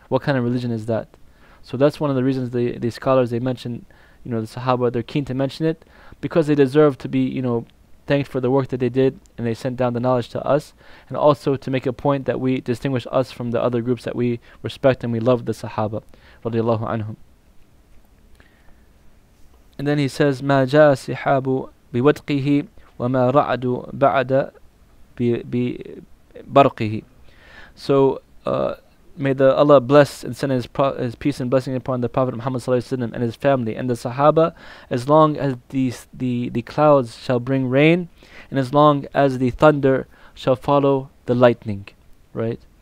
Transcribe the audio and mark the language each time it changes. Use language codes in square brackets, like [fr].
[en] What kind of religion is that? So that's one of the reasons the scholars, they mention, you know, the Sahaba, they're keen to mention it because they deserve to be, you know, thanked for the work that they did, and they sent down the knowledge to us, and also to make a point that we distinguish us from the other groups that we respect and we love, the Sahaba radiallahu anhum. [ar] And then he says, ما جاء صحاب بودقه وما رعد بعد ببرقه. [en] So may the Allah bless and send his peace and blessing upon the Prophet Muhammad sallallahu alaihi wasallam and his family and the Sahaba, as long as the clouds shall bring rain, and as long as the thunder shall follow the lightning, right?